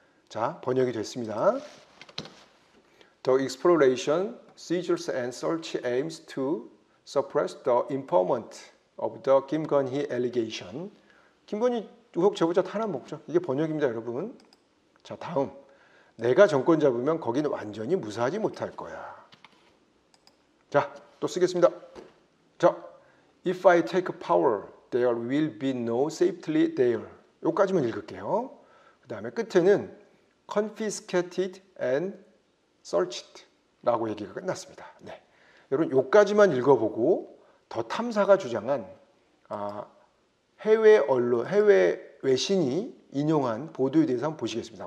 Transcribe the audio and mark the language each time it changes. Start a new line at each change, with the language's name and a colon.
Korean: 자, 번역이 됐습니다.
English: The exploration, seizures and search aims to suppress the informant of the 김건희 allegation.
Korean: 김건희 의혹 제보자 탄압 목적. 이게 번역입니다, 여러분. 자, 다음. 내가 정권 잡으면 거기는 완전히 무사하지 못할 거야. 자, 또 쓰겠습니다.
English: 자, if I take power, there will be no safety there.
Korean: 여기까지만 읽을게요. 그 다음에 끝에는
English: confiscated and searched
Korean: 라고 얘기가 끝났습니다. 네, 여러분 여기까지만 읽어보고 더 탐사가 주장한 해외 언론, 해외 외신이 인용한 보도에 대해서 한번 보시겠습니다.